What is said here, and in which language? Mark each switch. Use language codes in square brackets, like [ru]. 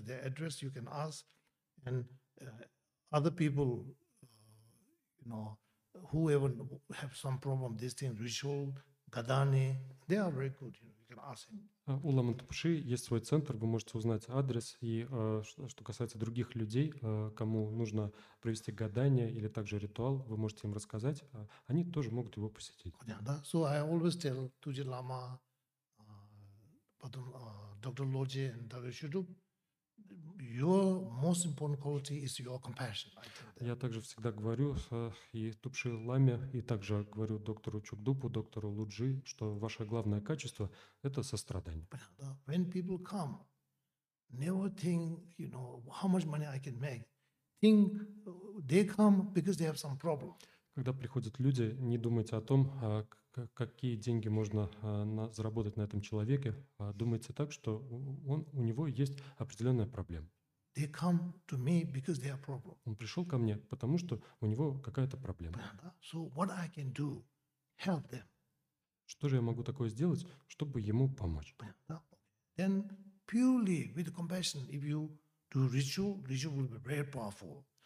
[en] Their address you can ask, and other people, you know, whoever have some problem, this thing, ritual, гадани, they are very good. You know, you can ask him. [ru] У Ламы Тупши есть свой центр, вы можете узнать адрес. И что касается других людей, кому нужно провести гадание или также ритуал, вы можете им рассказать, они тоже могут его посетить. [en] Да, so I always tell Тузи Лама, [ru] потом доктор Лоджи и Дагу Шуду, [en] Your most important quality is your compassion. [ru] Я также всегда говорю и Тупши Ламе, и также говорю доктору Чукдупу, доктору Луджи, что ваше главное качество – это сострадание. [en] When people come, never think, you know, how much money I can make. Think they come because they have some problem. [ru] Когда приходят люди, не думайте о том, какие деньги можно заработать на этом человеке, а думайте так, что у него есть определенная проблема. [en] They come to me because they have problem. [ru] Он пришел ко мне, потому что у него какая-то проблема. [en] So what I can do? Help them. [ru] Что же я могу такое сделать, чтобы ему помочь? [en] Then purely with compassion, if you do ritual, ritual will be very powerful.